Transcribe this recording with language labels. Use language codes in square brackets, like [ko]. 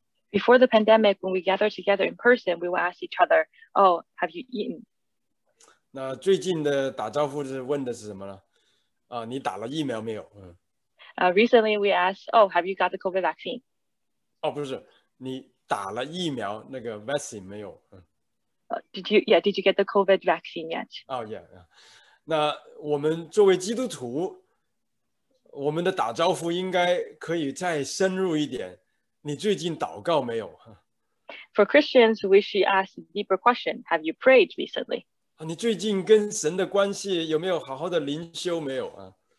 [en] Before the pandemic, when we gather together in person, we will ask each other, Oh, have you eaten? [zh] 那最近的打招呼是问的是什么呢？你打了疫苗没有？ [en] Recently, we asked, Oh, have you got the COVID vaccine? [zh] 不是，你打了疫苗那个 vaccine 没有？ [en] Did you get the COVID vaccine yet? [zh] 那我们作为基督徒，我们的打招呼应该可以再深入一点。你最近祷告没有？ [en] For Christians, we should ask a deeper question. Have you prayed recently? [zh] 你最近跟神的关系有没有好好的灵修没有啊？